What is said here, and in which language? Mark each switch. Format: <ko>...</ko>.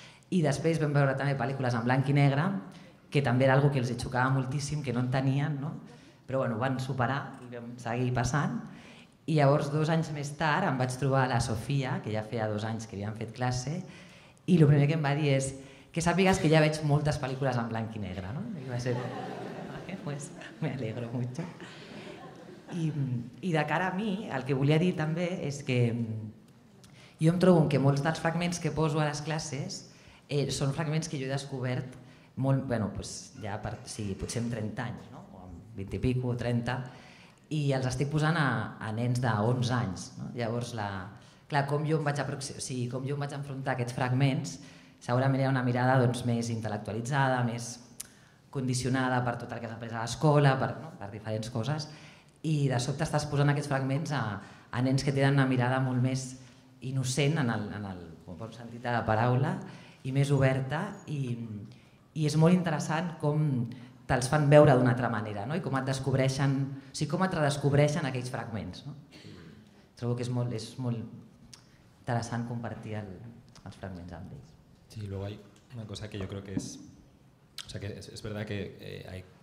<ca>I després vam veure també pel·lícules en blanc i negre, que també era algo que els xocava moltíssim, que no entenien, no? Però bueno, van superar i vam seguir passant. I llavors, 2 anys més tard, em vaig trobar la Sofia, que ja feia 2 anys que havíem fet classe, i el primer que em va dir és que sàpigues que ja veig moltes pel·lícules en blanc i negre, no? I va ser,</ca> <es>pues, me alegro mucho.</es> <ca>I de cara a mi, el que volia dir també és que jo em trobo que molts dels fragments que poso a les classes són fragments que jo he descobert molt, bueno, pues, ja per, sí, potser amb 30 anys, no? O amb 20 i pico, 30, i els estic posant a nens de 11 anys. No? Llavors, com jo em vaig enfrontar a aquests fragments, segurament era una mirada doncs, més intel·lectualitzada, més condicionada per tot el que has après a l'escola, per, no? Per diferents coses, i de sobte estàs posant aquests fragments a nens que tenen una mirada molt més innocent en el bon sentit de la paraula, i més oberta, i és molt interessant com te'ls fan veure d'una altra manera, no? I com et descobreixen, o sigui, com et redescobreixen aquells fragments. No? Trobo que és molt interessant compartir els fragments amb ells.</ca> <es>Sí, luego hay una cosa que yo creo que es verdad que hay</es>